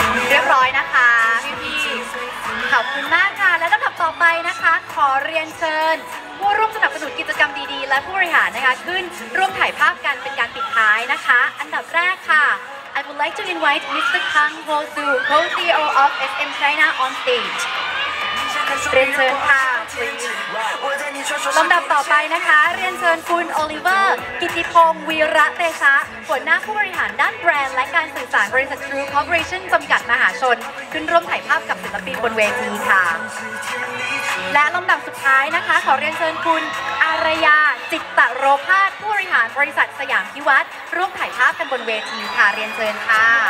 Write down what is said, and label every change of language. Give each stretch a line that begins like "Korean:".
Thai: เรียบร้อยนะคะพี่ๆขอบคุณมากค่ะและลำดับต่อไปนะคะขอเรียนเชิญผู้ร่วมสนับสนุนกิจกรรมดีๆและผู้บริหารนะคะขึ้นร่วมถ่ายภาพกันเป็นการปิดท้ายนะคะอันดับแรกค่ะ
English: I would like to invite Mr. Kang Ho Soo, co-CEO of SM China on stage.
Thai: เรียนเชิญค่ะ please. ลำดับต่อไปนะคะเรียนเชิญคุณโอลิเวอร์กิติพงศ์วีระเตชะหัวหน้าผู้บริหารด้านแบรนด์และการสื่อสารบริษัท True Corporation จำกัดมหาชนขึ้นร่วมถ่ายภาพกับศิลปินบนเวทีค่ะและลำดับสุดท้ายนะคะขอเรียนเชิญคุณอารยาจิตตโรภาสผู้บริหารบริษัทสยามพิวัตรร่วมถ่ายภาพกันบนเวทีค่ะเรียนเชิญค่ะ